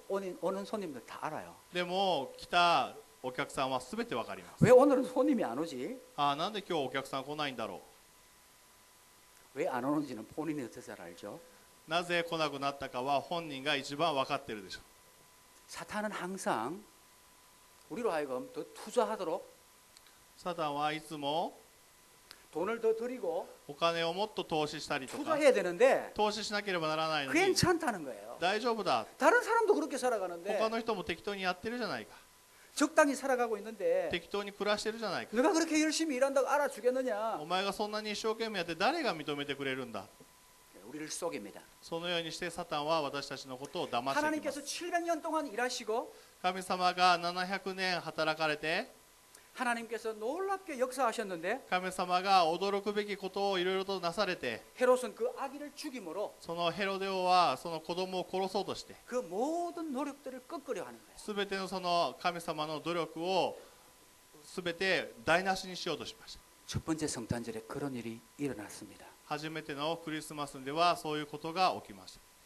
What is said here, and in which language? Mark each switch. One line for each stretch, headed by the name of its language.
Korean: 오는손님들다알아요
Japanese: でも来たお客さんは全て分かります
Korean: 왜오늘은손님이안오지
Japanese: あなんで今日お客さん来ないんだろう
Korean: 왜안오는지는본인이어떻게잘알죠
Japanese: なぜ来なくなったかは本人が一番分かってるでしょ
Korean: 사탄은항상우리로하여금더투자하도록 사단은
Japanese: いつも
Korean: 돈을더드리고
Japanese: お金をもっと投資したりとか
Korean: 투자해야되는데
Japanese: 投資しなければならないのに
Korean: 괜찮다는거예요
Japanese: 大丈夫だ
Korean: 다른사람도그렇게살아가는데
Japanese: 他の人も適当にやってるじゃないか
Korean: 적당히살아가고있는데
Japanese: 適当に暮らしてるじゃないか
Korean: 누가그렇게열심히일한다고알아주겠느냐
Japanese: お前がそんなに一生懸命やって誰が認めてくれるんだ
Korean: 우리 우리를 속입니다.
Japanese: そのようにして
Korean: 사탄은 우리
Japanese: たちのことを 騙しています.
Korean: 하나님께서 700년 동안 일하시고
Japanese: 神様が 700년 働かれて
Korean: 하나님께서 놀랍게 역사하셨는데
Japanese: 神様が 驚くべきことを 色々と なされて
Korean: 헤롯은 그 아기를 죽임으로
Japanese: そのヘロデ王は その子供を殺そうとして
Korean: 그 모든 노력들을 꺾으려 하는 거예요.
Japanese: 全てのその 神様の 努力を 全て 台無しにしようとしました.
Korean: 첫 번째 성탄절에 그런 일이 일어났습니다.
Japanese: 初めてのクリスマスではそういうことが起きました。